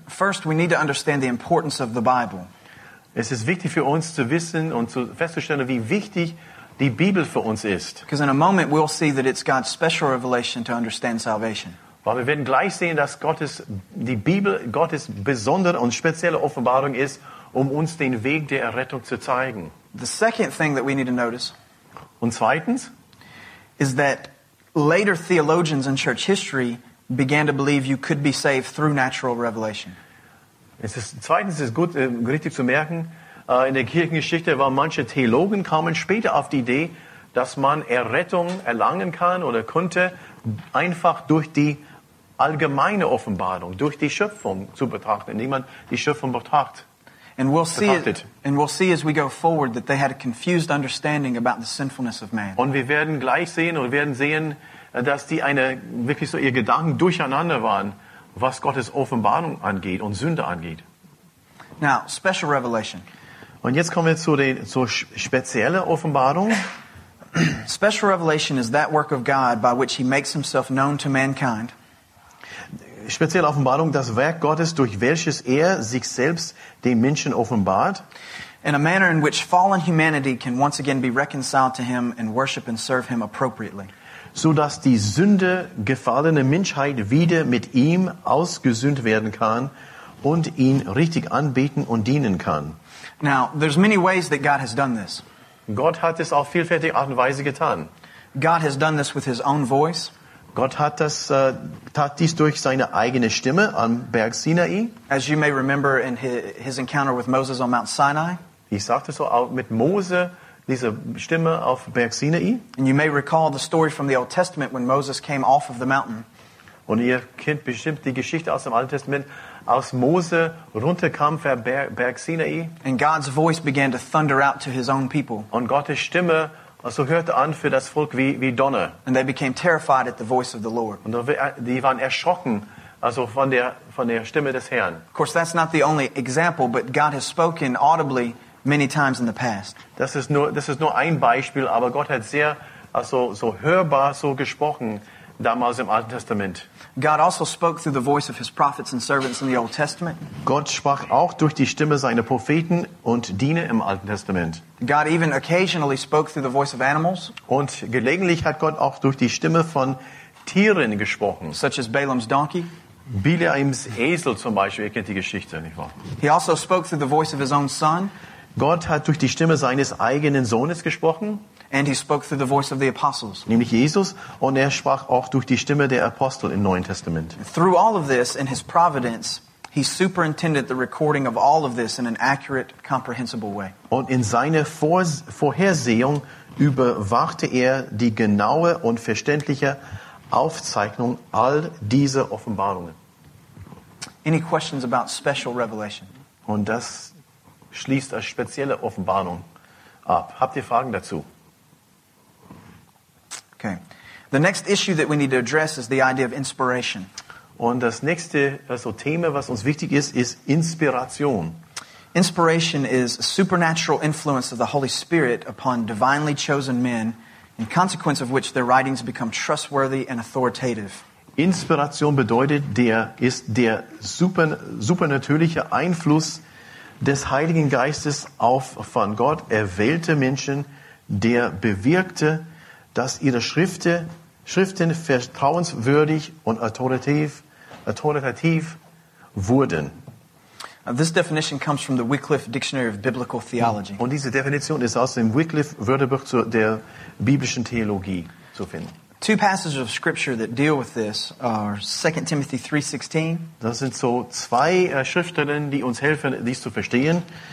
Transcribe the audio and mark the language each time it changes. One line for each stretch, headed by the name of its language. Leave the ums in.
English: First, we need to understand the importance of the Bible.
German: Es ist wichtig für uns zu wissen und festzustellen, wie wichtig die Bibel für uns ist.
English: Because in a moment we'll see that it's God's special revelation to understand salvation.
German: Weil wir werden gleich sehen, dass Gottes die Bibel Gottes besondere und spezielle Offenbarung ist, um uns den Weg der Errettung zu zeigen.
English: The second thing that we need to notice.
German: Und zweitens
English: is that Later theologians in church history began to believe you could be saved through natural revelation.
German: Es ist, zweitens ist gut äh, richtig zu merken, in der Kirchengeschichte waren manche Theologen kamen später auf die Idee, dass man Errettung erlangen kann oder konnte einfach durch die allgemeine Offenbarung, durch die Schöpfung zu betrachten, indem man die Schöpfung betrachtet.
English: And we'll see it, and we'll see as we go forward that they had a confused understanding about the sinfulness of man.
German: Und wir werden gleich sehen und wir werden sehen, dass die eine wirklich so ihr Gedanken durcheinander waren, was Gottes Offenbarung angeht und Sünde angeht.
English: Now, special revelation.
German: Und jetzt kommen wir zu den so spezielle Offenbarung.
English: special revelation is that work of God by which he makes himself known to mankind
German: spezielle Offenbarung, das Werk Gottes, durch welches er sich selbst den Menschen offenbart.
English: In a manner in which fallen humanity can once again be reconciled to him and worship and serve him appropriately.
German: So dass die Sünde gefallene Menschheit wieder mit ihm ausgesühnt werden kann und ihn richtig anbeten und dienen kann.
English: Now, there's many ways that God has done this.
German: Gott hat es auf vielfältige Art und Weise getan.
English: God has done this with his own voice.
German: Gott hat das tat dies durch seine eigene Stimme am Berg Sinai.
English: As you may remember in his, encounter with Moses on Mount Sinai.
German: Ich sagte so auch mit Mose diese Stimme auf Berg Sinai.
English: And you may recall the story from the Old Testament when Moses came off of the mountain.
German: Und ihr kennt bestimmt die Geschichte aus dem Alten Testament, aus Mose runterkam vom Berg Sinai.
English: And God's voice began to thunder out to his own people.
German: Und Gottes Stimme Also hörte an für das Volk wie, wie Donner.
English: And they became terrified at the voice of the Lord.
German: Und die waren erschrocken, also von der von der Stimme des Herrn.
English: Of course, that's not the only example, but God has spoken audibly many times in the past.
German: Das ist nur das ist nur ein Beispiel, aber Gott hat sehr also so hörbar so gesprochen
English: God also spoke through the voice of his prophets and servants in the Old Testament.
German: Gott sprach auch durch die Stimme seiner Propheten und Diener im Alten Testament.
English: God even occasionally spoke through the voice of animals.
German: Und gelegentlich hat Gott auch durch die Stimme von Tieren gesprochen.
English: Such as Balaam's donkey.
German: Bileams Esel zum Beispiel, ihr kennt die Geschichte, nicht wahr?
English: He also spoke through the voice of his own son.
German: Gott hat durch die Stimme seines eigenen Sohnes gesprochen.
English: And he spoke through the voice of the apostles.
German: Nämlich Jesus und er sprach auch durch die Stimme der Apostel im Neuen Testament.
English: And through all of this in his providence, he superintended the recording of all of this in an accurate, comprehensible way.
German: Und in seine Vor Vorhersehung überwachte er die genaue und verständliche Aufzeichnung all dieser Offenbarungen.
English: Any questions about special revelation?
German: Und das schließt als spezielle Offenbarung ab. Habt ihr Fragen dazu?
English: Okay. The next issue that we need to address is the idea of inspiration.
German: Und das nächste also Thema, was uns wichtig ist, ist Inspiration.
English: Inspiration is a supernatural influence of the Holy Spirit upon divinely chosen men, in consequence of which their writings become trustworthy and authoritative.
German: Inspiration bedeutet, der ist der super, supernatürliche Einfluss des Heiligen Geistes auf von Gott erwählte Menschen, der bewirkte, dass ihre Schriften, Schriften vertrauenswürdig und autoritativ, autoritativ wurden.
English: Now this definition
German: kommt aus dem
English: Wycliffe Dictionary of Biblical Theology.
German: Und diese Definition ist aus dem Wycliffe Wörterbuch zur der, der biblischen Theologie zu finden.
English: Two passages of scripture that deal with this are 2 Timothy 3:16.
German: Das sind so zwei Schriftstellen, die uns helfen, dies zu verstehen.